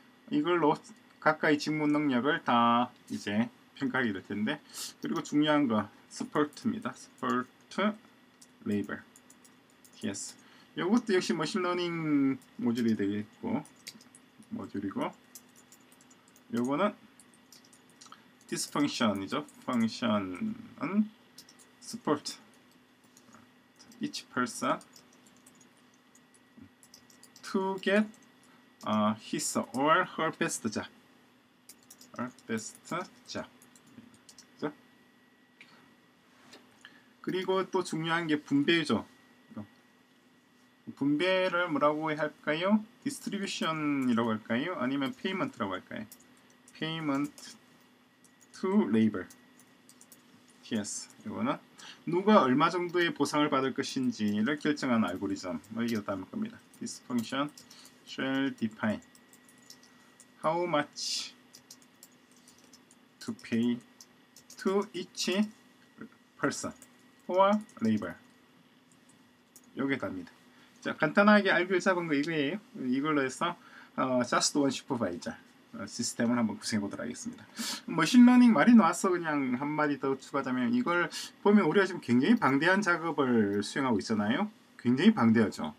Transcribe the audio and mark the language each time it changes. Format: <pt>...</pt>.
<ko>이걸로 각각의 직무 능력을 다 이제 평가하게 될 텐데, 그리고 중요한 거 support입니다.</ko> <en>support label. yes.</en> <ko>이것도 역시 머신러닝 모듈이 되겠고, 모듈이고, 요거는</ko> <en>this function</en> <ko>이죠.</ko> <en>function은 support each person to get his or her best job. best job.</en> <ko>그리고 또 중요한 게 분배죠. 분배를 뭐라고 할까요? distribution이라고 할까요? 아니면 payment라고 할까요?</ko> <en>payment to labor. yes.</en> <ko>이거는 누가 얼마 정도의 보상을 받을 것인지를 결정하는 알고리즘을 이어 담을 겁니다.</ko> <en>this function shall define how much to pay to each person for labor.</en> <ko>요게 답니다. 자, 간단하게 알기를 잡은 거 이거예요. 이걸로 해서 just one supervisor 시스템을 한번 구성해 보도록 하겠습니다. 머신러닝 말이 나왔어. 그냥 한 마디 더 추가하자면, 이걸 보면 우리가 지금 굉장히 방대한 작업을 수행하고 있잖아요. 굉장히 방대하죠.</ko>